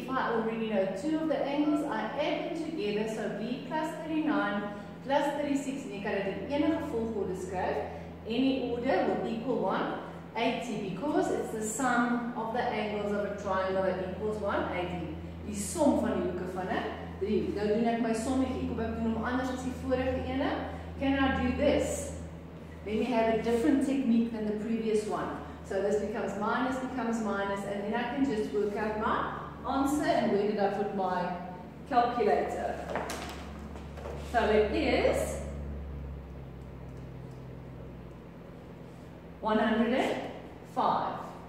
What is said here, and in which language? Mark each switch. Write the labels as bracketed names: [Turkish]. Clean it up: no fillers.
[English] If I already know two of the angles, I add them together. So B plus 39 plus 36. [Afrikaans] En jy kan dit in enige volgorde skryf. [English] Any order will equal 1. 80, because it's the sum of the angles of a triangle that equals 1. 80. [Afrikaans] Die som van die hoeke van 'n driehoek. Nou doen ek my sommetje. Ek hoop ek doen hom anders as die vorige ene. [English] Can I do this? Then we have a different technique than the previous one. So this becomes minus, and then I can just work out my answer and where did I put my calculator. So it is 105.